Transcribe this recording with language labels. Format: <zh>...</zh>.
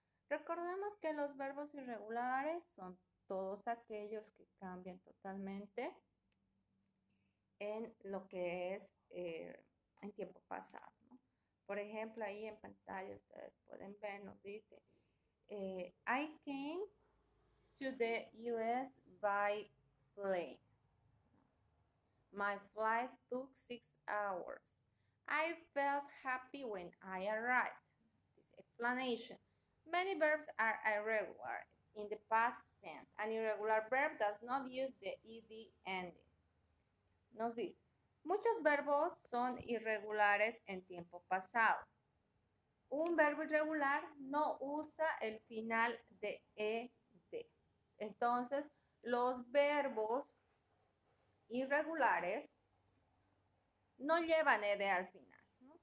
<es>Recordemos que los verbos irregulares son todos aquellos que cambian totalmente en lo que es en tiempo pasado, ¿no? Por ejemplo, ahí en pantalla ustedes pueden ver, nos dice,</es> <en>I came to the US by plane. My flight took 6 hours. I felt happy when I arrived. This explanation. Many verbs are irregular in the past tense. An irregular verb does not use the ed ending.</en> <es>Nos dice, muchos verbos son irregulares en tiempo pasado. Un verbo irregular no usa el final de ed. Entonces, los verbos irregulares no llevan ed al final, ¿no?</es>